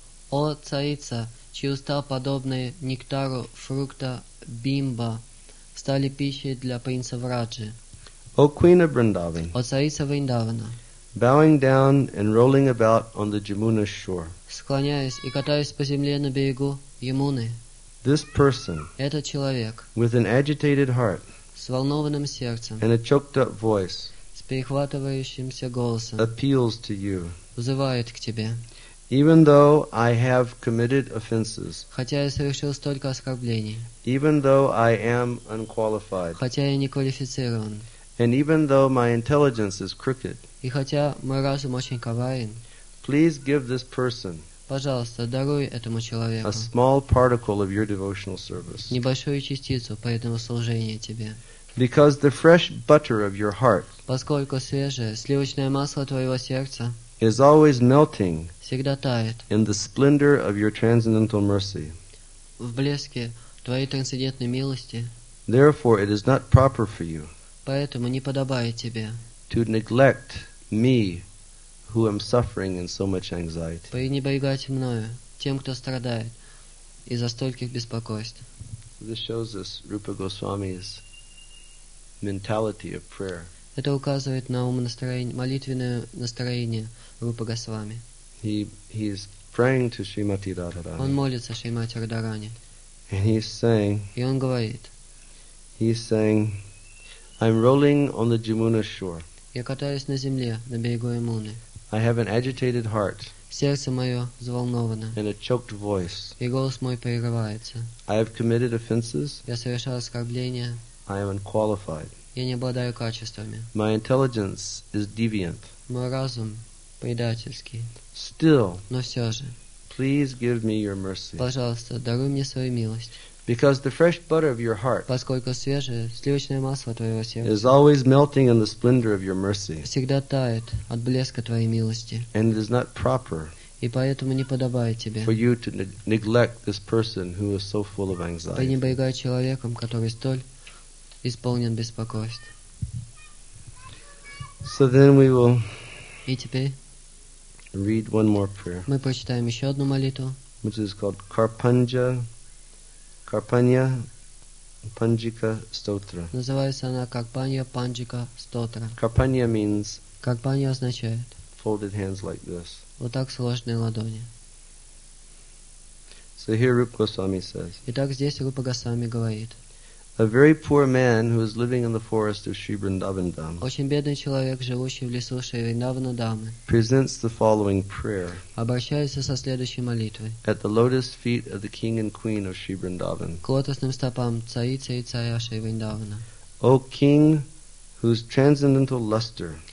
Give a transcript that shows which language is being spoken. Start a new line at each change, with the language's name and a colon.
Russian: О царица, чьи уста подобные нектару фрукта бимба стали пищей для принца Враджи.
English: O queen of Vrindavan.
Russian: О царица Вриндавана.
English: Bowing down and rolling about on the Jamuna shore.
Russian: Склоняясь и катаясь по земле на берегу Ямуны.
English: This person.
Russian: Этот человек.
English: With an agitated heart.
Russian: С волнованным сердцем.
English: And a choked up voice.
Russian: С перехватывающимся голосом.
English: Appeals to you.
Russian: Взывает к тебе.
English: Even though I have committed offenses.
Russian: Хотя я совершил столько оскорблений.
English: Even though I am unqualified.
Russian: Хотя я не квалифицирован.
English: And even though my intelligence is crooked.
Russian: И хотя мой разум очень коварен,
English: please give this person,
Russian: пожалуйста, даруй этому человеку
English: a small particle of your devotional service,
Russian: небольшую частицу поэтому служения тебе,
English: because the fresh butter of your heart,
Russian: поскольку свежее сливочное масло твоего сердца,
English: is always melting,
Russian: всегда тает,
English: in the splendor of your transcendental mercy,
Russian: в блеске твоей трансцендентной милости.
English: Therefore, it is not proper for you,
Russian: поэтому не подобает тебе.
English: To neglect me, who am suffering in so much anxiety.
Russian: Пренебрегать мною, тем, кто страдает из-за стольких беспокойств.
English: This shows us Rupa Goswami's mentality of prayer.
Russian: Это указывает на умонастроение, молитвенное настроение Рупа Госвами.
English: He is praying to Shrimati Radharani.
Russian: Он молится Шримати Радхарани.
English: And he's saying.
Russian: И он говорит.
English: He's saying, I'm rolling on the Jamuna shore.
Russian: Я катаюсь на земле, на берегу Ямуны.
English: I have an agitated heart.
Russian: Сердце мое взволновано.
English: And a choked voice.
Russian: И голос мой прерывается.
English: I have committed offenses.
Russian: Я совершал оскорбления.
English: I am unqualified.
Russian: Я не обладаю качествами.
English: My intelligence is deviant.
Russian: Мой разум предательский.
English: Still.
Russian: Но все же.
English: Please give me your mercy.
Russian: Пожалуйста, даруй мне свою милость.
English: Because the fresh butter of your heart,
Russian: поскольку свежее сливочное масло твоего сердца,
English: is always melting in the splendor of your mercy,
Russian: всегда тает от блеска твоей милости,
English: and it is not proper,
Russian: и поэтому не подобает тебе,
English: for you to neglect this person who is so full of anxiety,
Russian: пренебрегай человеком, который столь исполнен беспокойств.
English: So then we will,
Russian: и теперь,
English: read one more prayer,
Russian: мы прочитаем еще одну молитву,
English: which is called Karpanja. Карпанья Панджика Стотра.
Russian: Называется она Карпанья Панджика Стотра.
English: Карпанья means.
Russian: Карпанья означает.
English: Folded hands like this.
Russian: Вот так сложные ладони.
English: So here Rupa Goswami says.
Russian: Итак, здесь Рупа Госвами говорит.
English: A very poor man who is living in the forest of Sri Vrindavan Dham.
Russian: Очень бедный человек, живущий в лесу Шри Вриндавана Дамы.
English: Presents the following prayer.
Russian: Обращается со следующей молитвой.
English: At the lotus feet of the king and queen of Sri Vrindavan.
Russian: К лотосным стопам царицы и царя Шри Вриндавана.
English: O king, whose transcendental luster.